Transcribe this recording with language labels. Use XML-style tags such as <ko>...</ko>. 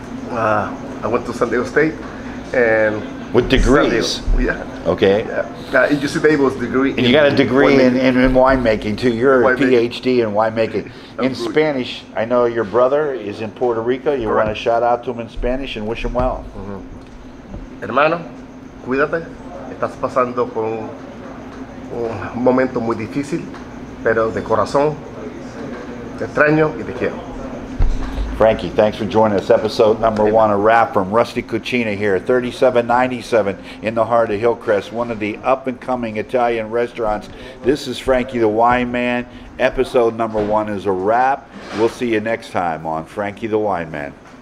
<en>I went to San Diego State, and with degrees, yeah. Okay. Yeah. UC Davis degree. And you got a degree in winemaking too. You're a PhD in winemaking. In Spanish, I know your brother is in Puerto Rico. You want to shout out to him in Spanish and wish him well.</en> <es>Mm-hmm. Hermano, cuídate. Estás pasando por un momento muy difícil, pero de corazón te extraño y te quiero.</es> <en>Frankie, thanks for joining us. Episode number one, a wrap from Rustic Cucina here, 3797 in the heart of Hillcrest, one of the up-and-coming Italian restaurants. This is Frankie the Wine Man. Episode number one is a wrap. We'll see you next time on Frankie the Wine Man.</en>